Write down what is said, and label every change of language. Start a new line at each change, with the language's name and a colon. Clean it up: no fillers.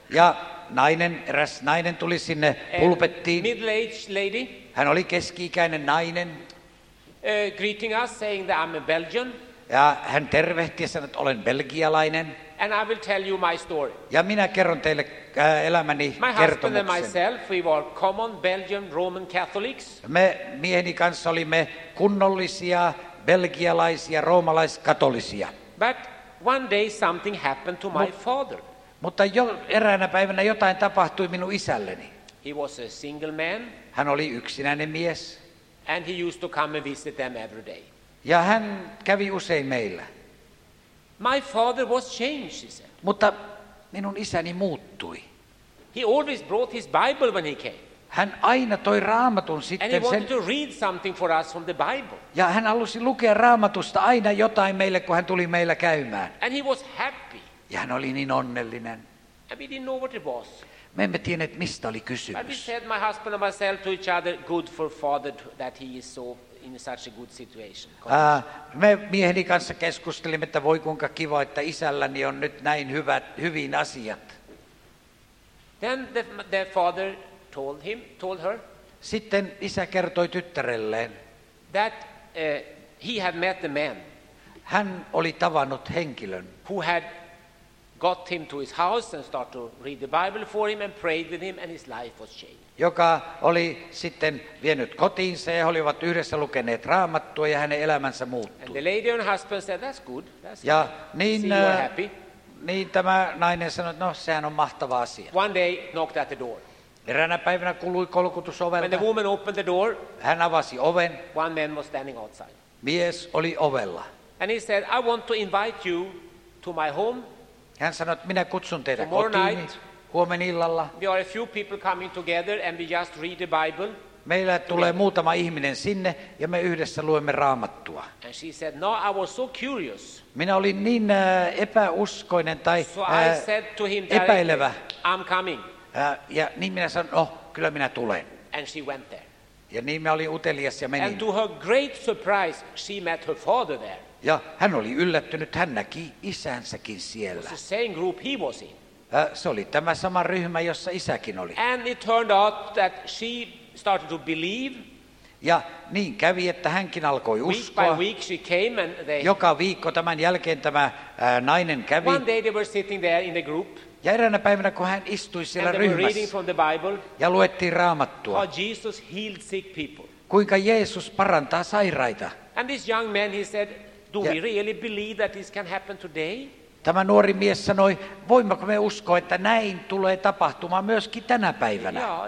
Finnish: Ja nainen, eräs nainen tuli sinne pulpettiin.
English: Middle-aged lady.
Finnish: Hän oli keski-ikäinen nainen.
English: Greeting us, saying that I'm a Belgian.
Finnish: Ja hän tervehti ja sanoi, että olen belgialainen.
English: And I will tell you my story.
Finnish: Ja minä kerron teille elämäni
English: my
Finnish: kertomuksen.
English: Husband and myself, we were common Belgian Roman Catholics.
Finnish: Me mieheni kanssa olimme kunnollisia belgialaisia roomalaiskatolisia.
English: But one day something happened to my father.
Finnish: Mutta jo eräänä päivänä jotain tapahtui minun isälleni.
English: He was a single man.
Finnish: Hän oli yksinäinen mies.
English: And he used to come and visit them every day.
Finnish: Ja hän kävi usein meillä.
English: My father was changed, he said.
Finnish: Mutta minun isäni muuttui.
English: He always brought his Bible when he came.
Finnish: Hän aina toi Raamatun sitten
English: and he wanted
Finnish: sen.
English: To read something for us from the Bible.
Finnish: Ja hän halusi lukea Raamatusta aina jotain meille, kun hän tuli meillä käymään.
English: And he was happy.
Finnish: Ja hän oli niin onnellinen.
English: And we didn't know what it was.
Finnish: Me emme tienneet, mistä oli kysymys.
English: But we said my husband and myself to each other, good for father that he is so in such a good situation.
Finnish: Me mieheni kanssa keskustelimme, että voi kuinka kiva, että isälläni on nyt näin hyvin asiat.
English: Then the father told her.
Finnish: Sitten isä kertoi tyttärelleen.
English: That he had met the man.
Finnish: Hän oli tavannut henkilön.
English: Who had got him to his house and started to read the Bible for him and prayed with him and his life was changed.
Finnish: Joka oli sitten vienyt kotiinsa ja he olivat yhdessä lukeneet Raamattua ja hänen elämänsä muuttui.
English: And the lady and husband said, that's good. That's
Finnish: ja
English: good.
Finnish: Niin,
English: see you are happy.
Finnish: Niin tämä nainen sanoi, no sehän on mahtava asia.
English: One day knocked at the door.
Finnish: Eräänä päivänä kuului kolkutus ovelta.
English: When the woman opened the door,
Finnish: hän avasi oven.
English: One man was standing outside.
Finnish: Mies oli ovella.
English: And he said, I want to invite you to my home.
Finnish: Hän sanoi, että minä kutsun teitä kotiin huomen illalla.
English: We are a few people coming together and we just read the Bible.
Finnish: Meillä tulee muutama ihminen sinne ja me yhdessä luemme Raamattua.
English: And she said, no, I was so curious.
Finnish: Minä olin niin epäuskoinen tai epäilevä.
English: I'm coming.
Finnish: Ja niin minä sanoin, no, kyllä minä tulen.
English: And she went there.
Finnish: Ja niin minä olin utelias ja menin.
English: And to her great surprise, she met her father there.
Finnish: Ja hän oli yllättynyt, hän näki isänsäkin siellä.
English: It was the same group he was in.
Finnish: Se oli tämä sama ryhmä, jossa isäkin oli.
English: And it turned out that she started to believe.
Finnish: Ja niin kävi, että hänkin alkoi uskoa.
English: Week by week she came and they.
Finnish: Joka viikko tämän jälkeen tämä nainen kävi.
English: One day they were sitting there in the group.
Finnish: Ja eräänä päivänä, kun hän istui siellä ryhmässä ja luettiin Raamattua,
English: how Jesus healed sick people.
Finnish: Kuinka Jeesus parantaa sairaita.
English: And this young man, he said, do we really believe that this can happen today?
Finnish: Tämä nuori mies sanoi, voimmeko me uskoa, että näin tulee tapahtumaan myöskin tänä päivänä?